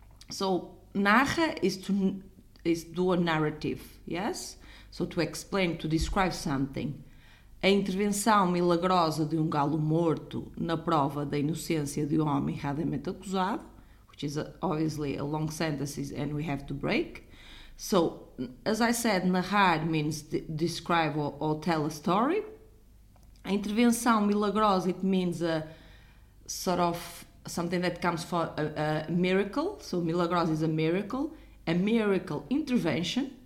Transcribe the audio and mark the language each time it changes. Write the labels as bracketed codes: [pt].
[en] So, narra is do a narrative, yes? So to explain, to describe something. [pt] A intervenção milagrosa de um galo morto na prova da inocência de um homem erradamente acusado, [en] which is obviously a long sentence and we have to break. So, as I said, narrar means describe or tell a story. [pt] A intervenção milagrosa, [en] it means a sort of something that comes for a miracle. So milagrosa is a miracle. A miracle intervention